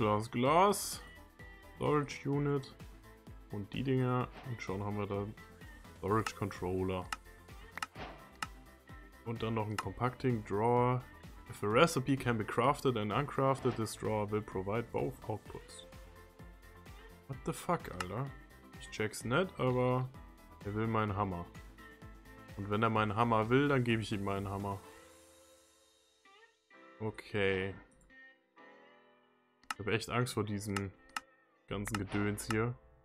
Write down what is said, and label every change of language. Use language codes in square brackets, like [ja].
[de] Glas. Storage Unit. Und die Dinger. Und schon haben wir dann Storage Controller. Und dann noch ein Compacting Drawer. [en] If a recipe can be crafted and uncrafted, this drawer will provide both outputs. What the fuck, Alter? [de] Ich check's nicht, aber er will meinen Hammer. Und wenn er meinen Hammer will, dann gebe ich ihm meinen Hammer. Okay. Ich habe echt Angst vor diesem ganzen Gedöns hier.